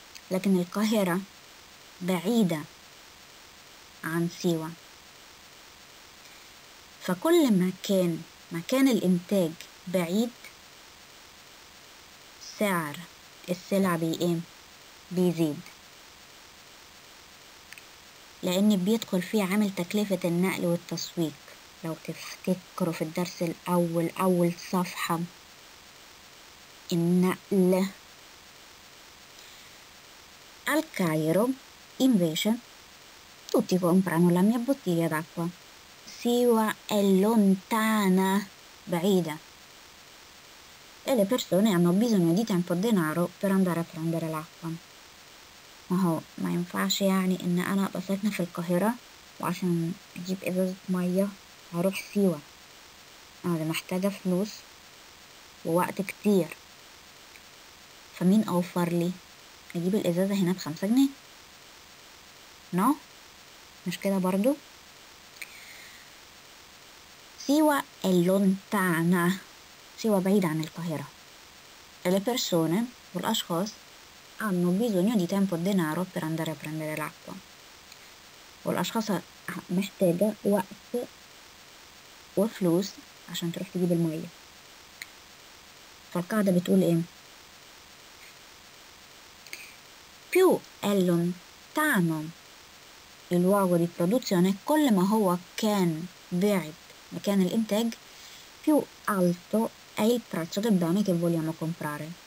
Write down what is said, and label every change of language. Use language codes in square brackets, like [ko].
[ar] لكن القاهرة بعيدة عن سيوة، فكل ما كان مكان الإنتاج بعيد سعر السلع بيقيم بيزيد، لأن بيدخل فيه عامل تكلفة النقل والتسويق. لو تفتكروا في الدرس الأول أول صفحة، النقل. [it] Al Cairo invece tutti comprano la mia bottiglia d'acqua. Siwa è lontana, [ar] بعيدة. [it] E le persone hanno bisogno di tempo e denaro per andare a prendere l'acqua. [ar] ما ينفعش يعني ان انا ابقى ساكنة في القاهرة وعشان اجيب ازازة مية هروح سيوة. انا محتاجة فلوس ووقت كتير، فمين اوفر لي اجيب الازازة هنا بخمسة جنيه؟ نو no? مش كده برضو؟ سيوة [it] è lontana، [ar] سيوة بعيد عن القاهرة. [it] Le persone [ar] والأشخاص [it] hanno bisogno di tempo e denaro per andare a prendere l'acqua. [ar] والأشخاص محتاجة وقت وفلوس عشان تروح تجيب المية. فالقاعدة بتقول إيه؟ [it] Più è lontano il luogo di produzione, [ar] كل ما هو كان بعيد مكان الإنتاج، [it] più alto è il prezzo del bene che vogliamo comprare.